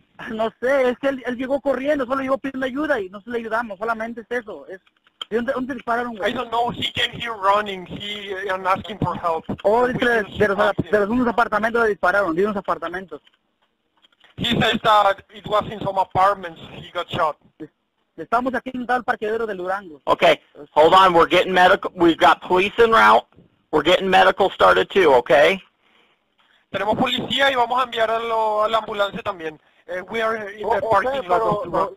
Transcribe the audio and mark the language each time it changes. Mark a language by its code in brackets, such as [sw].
[es] No sé, es que él llegó corriendo, solo llegó pidiendo ayuda y no se le ayudamos, solamente es eso. ¿De dónde dispararon, güey? [en] I don't know, he came here running, he, I'm asking for help. [es] Oh, dice, de los unos apartamentos le dispararon, de unos apartamentos. [en] He says that it was in some apartments he got shot. [es] Estamos aquí en el parqueadero de Durango. [en] Okay, hold on, we're getting medical, we've got police en route, we're getting medical started too, okay? [es] Tenemos policía y vamos a enviar a la ambulancia también. [en] We are in the parking lot of Durango.